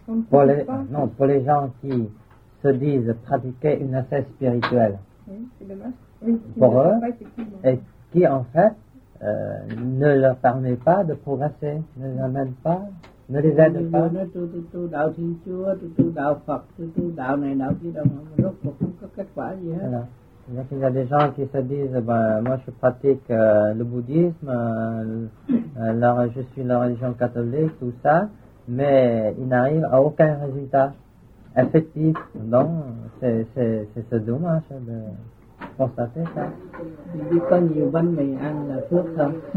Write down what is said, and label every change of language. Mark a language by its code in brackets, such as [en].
[fr] Pour les gens qui se disent pratiquer un effet spirituel, oui, c'est dommage. Oui, pour eux, et qui en fait ne leur permet pas de progresser, ne les amène pas. Ne les aide pas. [vi] Nó tu đạo Thiên Chúa, tu đạo Phật, tu đạo này đạo kia đâu mà rốt cuộc không có kết quả gì hết. [fr] Donc il y a des gens qui se disent bah, moi je pratique le bouddhisme, je suis la religion catholique, tout ça, mais ils n'arrivent à aucun résultat effectif. Donc c'est dommage de constater ça. Il dit pas [vi] nhiều bánh mì ăn là phước không.